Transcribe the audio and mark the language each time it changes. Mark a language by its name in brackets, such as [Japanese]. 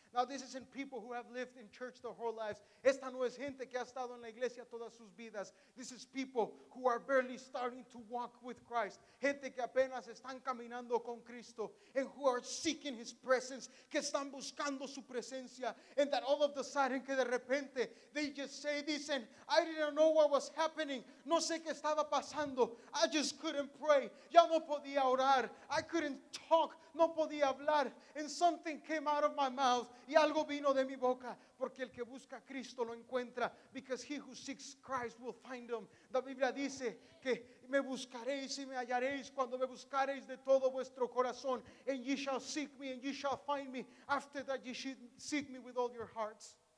[English] Now this isn't people who have lived in church their whole lives. [Spanish] Esta no es gente que ha estado en la iglesia todas sus vidas. [English] This is people who are barely starting to walk with Christ. [Spanish] Gente que apenas están caminando con Cristo, [English] and who are seeking His presence, [Spanish] que están buscando su presencia, [English] and that all of the sudden, [Spanish] que de repente, [English] they just say, [Spanish] dicen, [English] I didn't know what was happening. [Spanish] No sé qué estaba pasando. [English] I just couldn't pray. [Spanish] Ya no podía orar. [English] I couldn't talk. [Spanish] No podía hablar. [English] And something came out of my mouth. [Spanish] Y algo vino de mi boca. Porque el que busca a Cristo lo encuentra. [English] Because he who seeks Christ will find him. [Spanish] La Biblia dice que me buscaréis y me hallaréis cuando me buscaréis de todo vuestro corazón. [English] And ye shall seek me and ye shall find me. After that ye should seek me with all your hearts.